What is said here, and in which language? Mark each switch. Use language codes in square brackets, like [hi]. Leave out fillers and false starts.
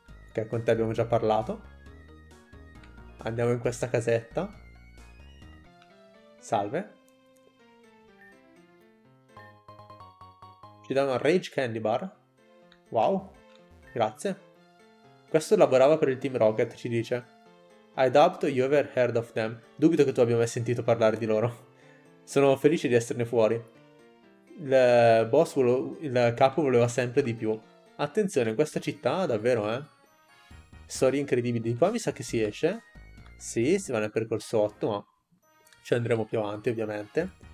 [it] Ok, con te abbiamo già parlato. Andiamo in questa casetta. Salve. Ci danno una Rage Candy Bar. Wow, grazie. Questo lavorava per il Team Rocket, ci dice. [en] I doubt you ever heard of them. [it] Dubito che tu abbia mai sentito parlare di loro. Sono felice di esserne fuori. Il capo voleva sempre di più. Attenzione, questa città davvero, storie incredibili. Qua mi sa che si esce. Sì, si va nel percorso 8, ma ci andremo più avanti, ovviamente.